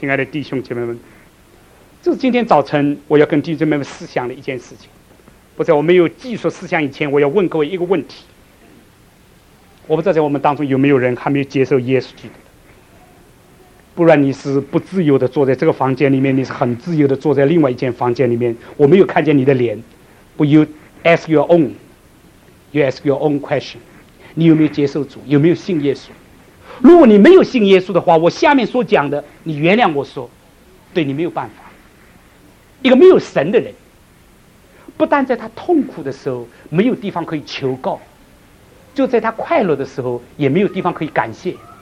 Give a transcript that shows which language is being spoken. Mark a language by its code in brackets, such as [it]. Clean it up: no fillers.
[zh] 亲爱的弟兄姐妹们，这是今天早晨我要跟弟兄姐妹们思想的一件事情。不在我没有记述思想以前，我要问各位一个问题。我不知道在我们当中有没有人还没有接受耶稣基督，不然你是不自由的坐在这个房间里面，你是很自由的坐在另外一间房间里面，我没有看见你的脸。 [en] But you ask your own, you ask your own question. [zh] 你有没有接受主？有没有信耶稣？如果你没有信耶稣的话，我下面所讲的你原谅我说对你没有办法。一个没有神的人，不但在他痛苦的时候没有地方可以求告，就在他快乐的时候也没有地方可以感谢。